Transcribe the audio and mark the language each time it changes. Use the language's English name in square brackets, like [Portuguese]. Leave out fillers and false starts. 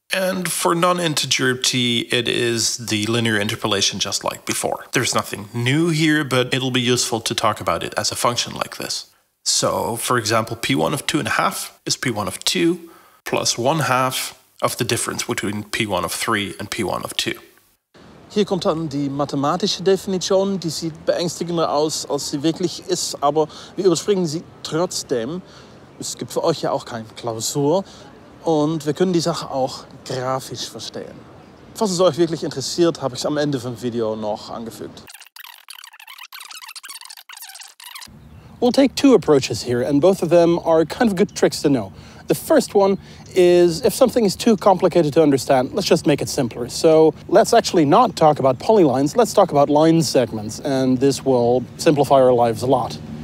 [English] And for non-integer t, it is the linear interpolation just like before. There's nothing new here, but it'll be useful to talk about it as a function like this. So, for example, P1 of 2.5 is P1 of 2 plus 1/2 of the difference between P1 of 3 and P1 of 2. [German] Hier kommt dann die mathematische Definition, die sieht beängstigender aus, als sie wirklich ist, aber wir überspringen sie trotzdem. Es gibt für euch ja auch keine Klausur und wir können die Sache auch grafisch verstehen. Falls es euch wirklich interessiert, habe ich es am Ende vom Video noch angefügt. [English] We'll take two approaches here and both of them are kind of good tricks to know. The first one is if something is too complicated to understand, let's just make it simpler. So let's actually not talk about polylines, let's talk about line segments, and this will simplify our lives a lot.